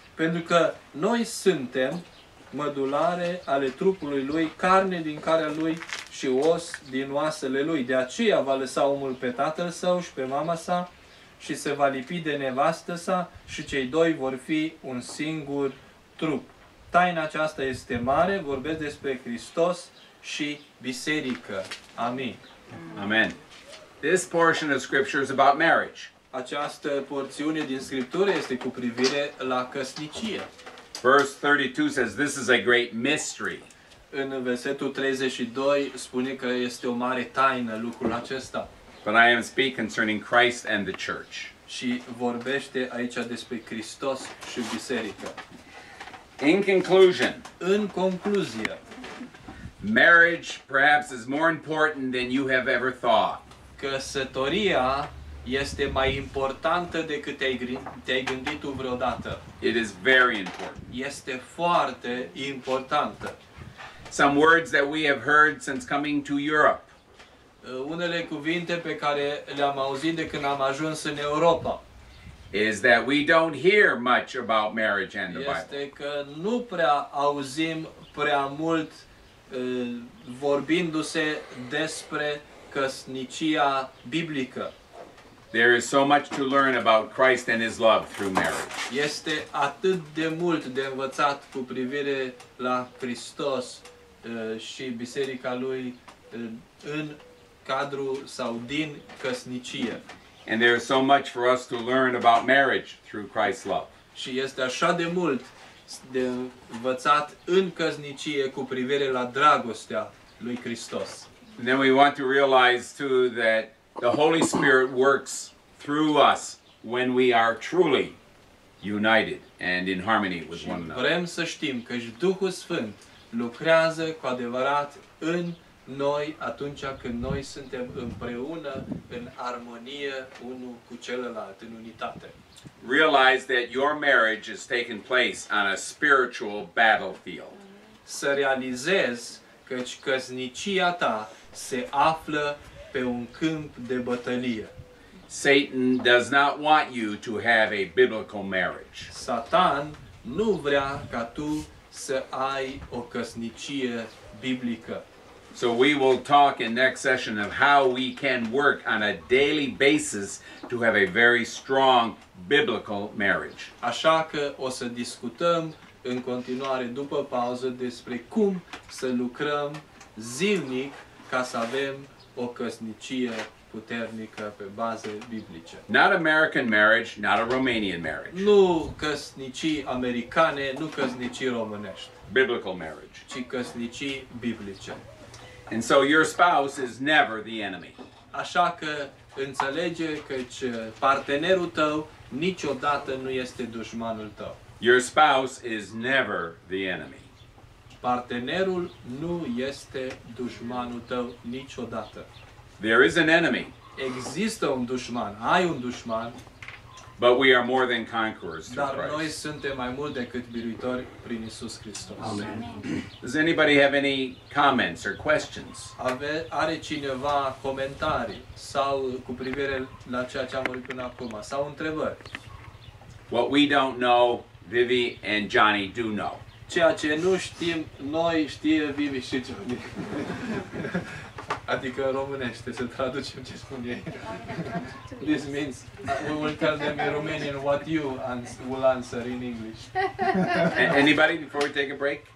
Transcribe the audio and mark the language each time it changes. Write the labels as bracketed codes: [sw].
[ro] Pentru că noi suntem mădulare ale trupului lui, carne din carea lui și os din oasele lui. De aceea va lăsa omul pe tatăl său și pe mama sa, și se va lipi de nevastă sa și cei doi vor fi un singur trup. Taina aceasta este mare, vorbesc despre Hristos și biserică. Amin. [en] Amen. This portion of scripture is about marriage. [ro] Această porțiune din scriptură este cu privire la căsnicie. [en] Verse 32 says this is a great mystery. [ro] În versetul 32 spune că este o mare taină lucrul acesta. [en] But I am speak concerning Christ and the church. [ro] și vorbește aici despre Hristos și biserică. [en] In conclusion, [ro] în concluzie, [en] marriage perhaps is more important than you have ever thought. [ro] Căsătoria este mai importantă decât te-ai gândit tu vreodată. [en] It is very important. [ro] Este foarte importantă. [en] Some words that we have heard since coming to Europe. [ro] Unele cuvinte pe care le-am auzit de când am ajuns în Europa. [en] Is that we don't hear much about marriage and the Bible. [ro] Este că nu prea auzim prea mult vorbindu-se despre căsnicia biblică. [en] There is so much to learn about Christ and his love through marriage. [ro] Este atât de mult de învățat cu privire la Hristos și biserica lui în cadrul sau din căsnicie. [en] And there is so much for us to learn about marriage through Christ's love. [ro] Și este așa de mult de învățat în căsnicie cu privire la dragostea lui Hristos. [en] And then we want to realize too that the Holy Spirit works through us when we are truly united and in harmony with one another. [ro] Vrem să știm că Duhul Sfânt lucrează cu adevărat în noi atunci când noi suntem împreună în armonie unul cu celălalt, în unitate. [en] Realize that your marriage is taking place on a spiritual battlefield. [ro] Să realizezi că căsnicia ta se află pe un câmp de bătălie. [en] Satan does not want you to have a biblical marriage. [ro] Satan nu vrea ca tu să ai o căsnicie biblică. [en] So we will talk in next session of how we can work on a daily basis to have a very strong biblical marriage. [ro] Așa că o să discutăm în continuare după pauză despre cum să lucrăm zilnic ca să avem o căsnicie puternică pe baze biblice. [en] Not American marriage, not a Romanian marriage. [ro] Nu căsnicii americane, nu căsnicii românești. [en] Biblical marriage. [ro] Ci căsnicii biblice. [en] And so your spouse is never the enemy. [ro] Așa că înțelege că partenerul tău niciodată nu este dușmanul tău. [en] Your spouse is never the enemy. [ro] Partenerul nu este dușmanul tău niciodată. [en] There is an enemy. [ro] Există un dușman. Ai un dușman. [en] But we are more than conquerors through Christ. [ro] noi suntem mai mult decât biruitori prin Iisus Hristos. [en] Amen. Does anybody have any comments or questions? [ro] Are cineva comentarii sau cu privire la ceea ce am vorbit până acum sau întrebări? [en] What we don't know, Vivi and Johnny do know. [ro] Ceea ce nu știm, noi știe Vivi și Johnny. Adică în românește, să traducem ce spun ei. [en] This means, we will tell them in Romanian what you will answer in English. Anybody before we take a break?